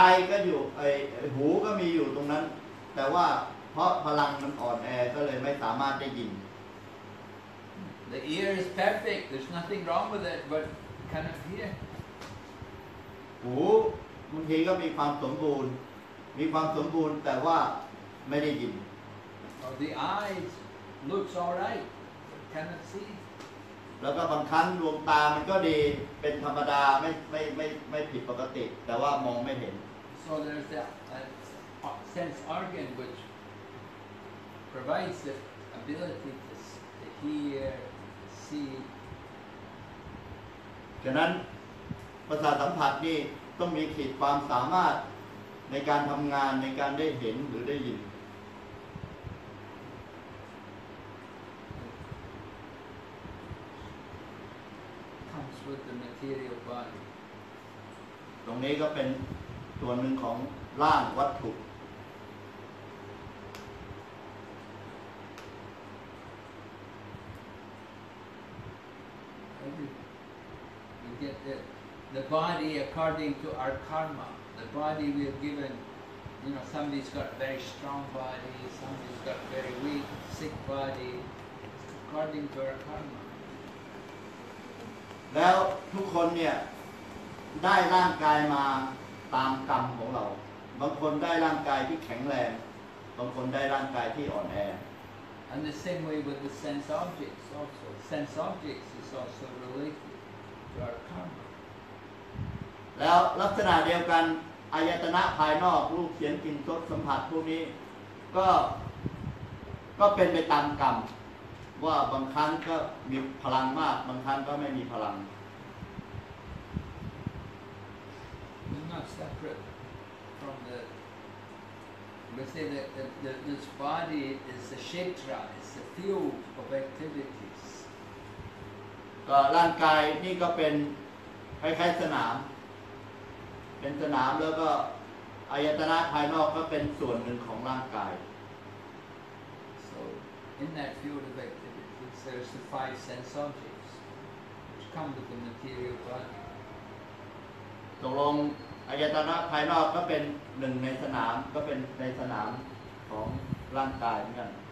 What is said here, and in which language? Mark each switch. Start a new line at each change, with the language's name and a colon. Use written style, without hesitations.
Thai: ก็อยู่ไอ้หูก็มีอยู่ตรงนั้นแต่ว่าเพราะพลังมันอ่อนแอก็เลยไม่สามารถได้ยิน
English: The ear is perfect. There's nothing wrong with it, but cannot hear.
Thai: หูบางทีก็มีความสมบูรณ์มีความสมบูรณ์แต่ว่าไม่ได้ยิน
English: Or the eyes looks all right, but cannot see.
Thai: แล้วก็บางครั้งดวงตามันก็ดีเป็นธรรมดาไม่ผิดปกติแต่ว่ามองไม่เห็น
English: So there's that sense organ which provides the ability to hear, to see.
Thai: ฉะนั้นประสาทสัมผัสนี่ต้องมีขีดความสามารถในการทำงานในการได้เห็นหรือได้ยิน
English: With the material body.
Thai: ตรงนี้ก็เป็นส่วนหนึ่งของร่างวัตถุ
English: You get that the body according to our karma. The body we are given, you know, somebody's got a very strong body, somebody's got a very weak, sick body, according to our karma.
Thai: แล้วทุกคนเนี่ยได้ร่างกายมาตามกรรมของเราบางคนได้ร่างกายที่แข็งแรงบางคนได้ร่างกายที่อ่อนแอ
English: And the same way with the sense objects also. Sense objects is also related to our karma.
Thai: แล้วลักษณะเดียวกันอายตนะภายนอกรูปเสียงกลิ่นรสสัมผัสพวกนี้ก็เป็นไปตามกรรมว่าบางครั้งก็มีพลังมากบางครั้งก็ไม่มีพลัง
English: They're not separate from the we say that this body is the kshetra it's the field of activities
Thai: ก็ร่างกายนี่ก็เป็นคล้ายๆสนามเป็นสนามแล้วก็อายตนะภายนอกก็เป็นส่วนหนึ่งของร่างกาย
English: so in that field of activitiesThere's the five sense objects which come with the material body.
Thai: ตกลงอายตนะภายนอกก็เป็นหนึ่งในสนามก็เป็นในสนามของร่างกายเหมือนกัน